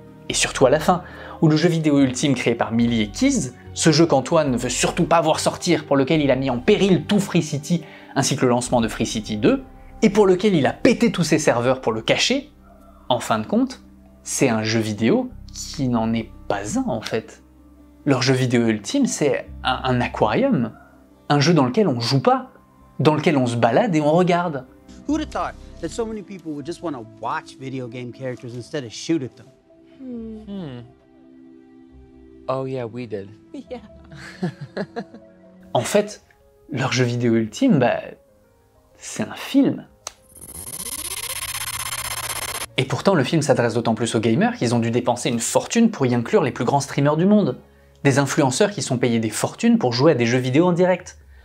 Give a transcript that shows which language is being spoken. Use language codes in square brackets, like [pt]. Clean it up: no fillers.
[fr] Et surtout à la fin, où le jeu vidéo ultime créé par Millie et Keys, ce jeu qu'Antoine ne veut surtout pas voir sortir, pour lequel il a mis en péril tout Free City, ainsi que le lancement de Free City 2, et pour lequel il a pété tous ses serveurs pour le cacher, en fin de compte, c'est un jeu vidéo qui n'en est pas un en fait. Leur jeu vidéo ultime, c'est un aquarium, un jeu dans lequel on joue pas, dans lequel on se balade et on regarde. [en] Who would have thought that so many people would just want to watch video game characters instead of shoot at them? Oh yeah, we did. Yeah. [fr] En fait, leur jeu vidéo ultime, bah, c'est un film. Et pourtant, le film s'adresse d'autant plus aux gamers qu'ils ont dû dépenser une fortune pour y inclure les plus grands streamers du monde. Des influenceurs qui sont payés des fortunes pour jouer à des jeux vidéo en direct.